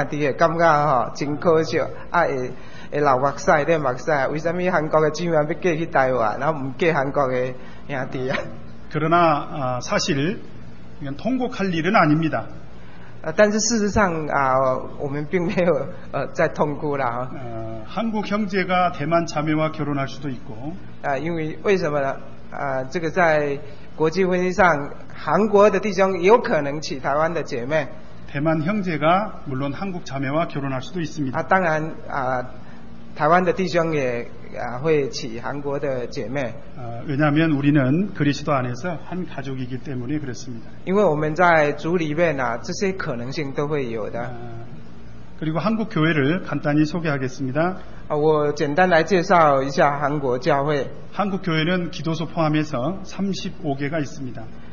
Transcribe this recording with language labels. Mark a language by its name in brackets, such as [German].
[Chinese] 韩国这个可以讲是什么？韩国可以讲对韩国教会的弟兄来说是一个很可惜的事情。所以韩国弟兄们痛苦，为什么韩国姐妹台湾弟兄跟台湾弟兄结婚吗？这样啊，所以他一进来的讲的是讲哦，阿你韩国教会兄弟感觉吼真可惜，阿会。 [Korean] 그러나 사실 이건 통곡할 일은 아닙니다. [Chinese] 但是事实上，我们并没有在痛哭了。 [Korean] 한국 형제가 대만 자매와 결혼할 수도 있고. [Chinese] 因为为什么呢？这个在国际婚姻上，韩国的弟兄有可能娶台湾的姐妹。 [Korean] 대만 형제가 물론 한국 자매와 결혼할 수도 있습니다. [Chinese] 当然，台湾的弟兄也会娶韩国的姐妹。 [Korean] 왜냐하면 우리는 그리스도 안에서 한 가족이기 때문에 그렇습니다. [Chinese] 因为我们在主里面呢，这些可能性都会有的。 [Korean] 그리고 한국 교회를 간단히 소개하겠습니다. [Chinese] 我简单来介绍一下韩国教会。 [Korean] 한국 교회는 기도소 포함해서 35개가 있습니다.